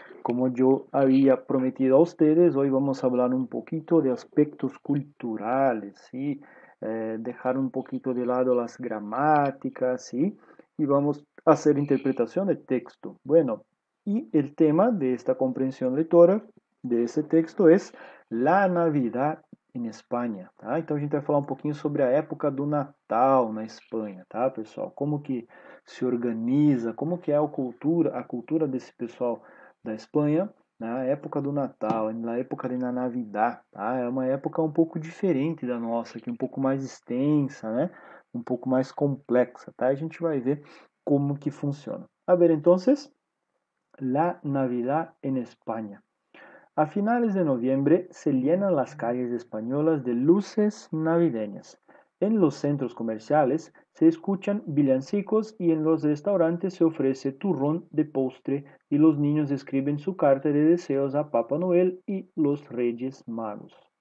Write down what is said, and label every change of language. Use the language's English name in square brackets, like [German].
[Spanish] Como yo había prometido a ustedes, hoy vamos a hablar un poquito de aspectos culturales, ¿sí? Dejar un poquito de lado las gramáticas, ¿sí? Y vamos a hacer interpretación de texto. Bueno. Y el tema de esta comprensión lectora de ese texto es la Navidad en España, ¿tá? [Portuguese] Então a gente vai falar um pouquinho sobre a época do Natal na Espanha, tá, pessoal? Como que se organiza, como que é a cultura desse pessoal da Espanha na época do Natal, na época da Navidad, tá? É uma época um pouco diferente da nossa, que é um pouco mais extensa, né? Um pouco mais complexa, tá? A gente vai ver como que funciona. [Spanish] A ver, então, la Navidad en España. A finales de noviembre se llenan las calles españolas de luces navideñas. En los centros comerciales se escuchan villancicos y en los restaurantes se ofrece turrón de postre y los niños escriben su carta de deseos a Papá Noel y los Reyes Magos.